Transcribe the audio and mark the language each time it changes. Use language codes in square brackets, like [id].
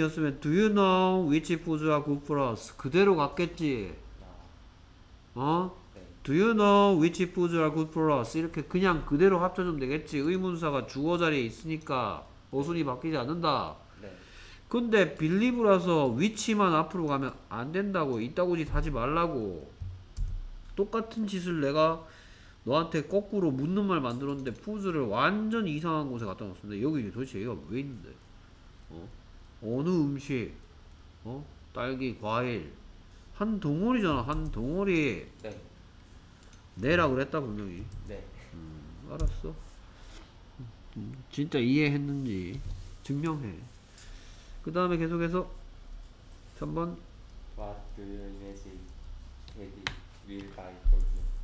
[ko] 였으면 [en] do you know which food are good for us? [ko] 그대로 갔겠지? 어? 네. [en] do you know which food are good for us? [ko] 이렇게 그냥 그대로 합쳐주면 되겠지? 의문사가 주어 자리에 있으니까 어순이 바뀌지 않는다. 네. 근데 believe라서 위치만 앞으로 가면 안 된다고 이따구 짓 하지 말라고 똑같은 짓을 내가 너한테 거꾸로 묻는 말 만들었는데 푸즈를 완전 이상한 곳에 갖다 놨는데 여기 도대체 얘가 왜 있는데? 어? 어느 음식? 어? 딸기, 과일 한 덩어리잖아 한 덩어리 네 내라 그랬다 분명히 네 알았어 진짜 이해했는지 증명해. 그 다음에 계속해서 3번 [en] What do you imagine Teddy will buy for you?